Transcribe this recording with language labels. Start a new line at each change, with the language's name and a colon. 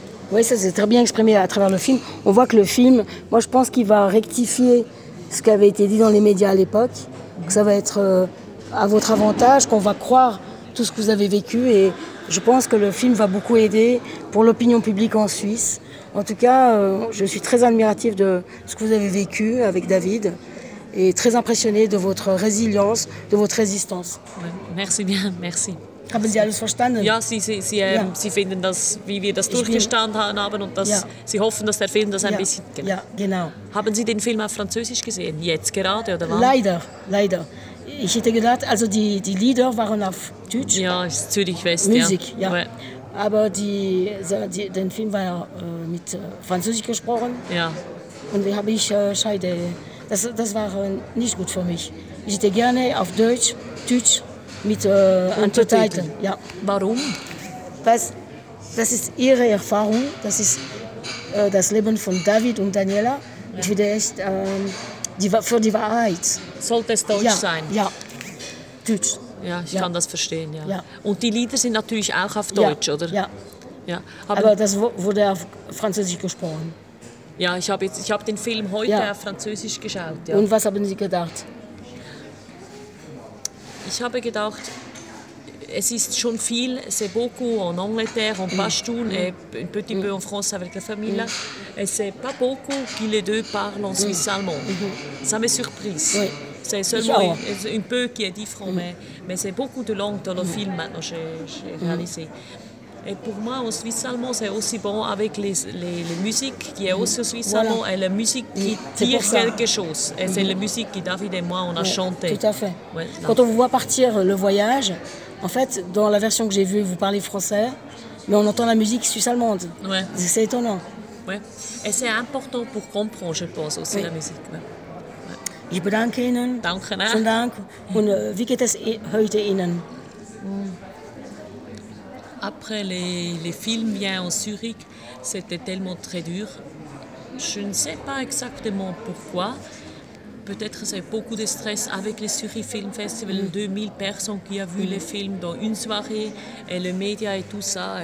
French: Oui, ça c'est très bien exprimé à travers le film. On voit que le film, moi je pense qu'il va rectifier ce qui avait été dit dans les médias à l'époque, que ça va être à votre avantage, qu'on va croire tout ce que vous avez vécu, et je pense que le film va beaucoup aider pour l'opinion publique en Suisse. En tout cas, je suis très admirative de ce que vous avez vécu avec David et très impressionnée de votre résilience, de votre résistance. Merci bien, merci.
German: Haben Sie alles verstanden? Ja, Sie finden, dass, wie wir das durchgestanden haben und dass Sie hoffen, dass der Film das ein bisschen... Ja, genau. Haben Sie den Film auf Französisch gesehen, jetzt gerade oder wann? Leider. Ich hätte gedacht, also die Lieder waren auf Deutsch. Ja, ist Zürich West, Musik, ja. Aber den Film war mit Französisch gesprochen. Ja. Und wie habe ich Scheide... Das war nicht gut für mich. Ich hätte gerne auf Deutsch mit Untertiteln. Ja. Warum? Das ist ihre Erfahrung. Das ist das Leben von David und Daniela. Ja. Ich würde echt für die Wahrheit. Sollte es Deutsch sein? Ja. Deutsch. Ja, ich kann das verstehen. Ja. Und die Lieder sind natürlich auch auf Deutsch, oder? Ja. Aber das wurde auf Französisch gesprochen. Ja, ich hab den Film heute auf Französisch geschaut. Ja. Und was haben Sie gedacht? Ich habe gedacht, es ist schon viel,
French: c'est beaucoup en Angleterre, en Pashtun, et un petit peu en France avec la famille. Et c'est pas beaucoup que les deux parlent en suisse allemand. Ça m'a surprise. Oui. C'est seulement un peu qui est différent, mais c'est beaucoup de langues dans le film maintenant, j'ai réalisé. Et pour moi, en suisse allemand, c'est aussi bon avec les musiques qui est aussi suisse allemand et la musique qui tire quelque chose. Et c'est la musique que David et moi, on a chanté. Tout à fait. Ouais, quand on vous voit partir le voyage, en fait, dans la version que j'ai vue, vous parlez français, mais on entend la musique suisse allemande. Ouais. C'est étonnant. Ouais. Et c'est important pour comprendre, je pense, aussi la musique. Ouais. Je vous remercie.
German: Danke. Vielen Dank. Und wie geht es heute Ihnen?
French: Après les films bien en Zurich, c'était tellement très dur. Je ne sais pas exactement pourquoi. Peut-être c'est beaucoup de stress avec le Zurich Film Festival, 2000 personnes qui ont vu les films dans une soirée, et les médias et tout ça.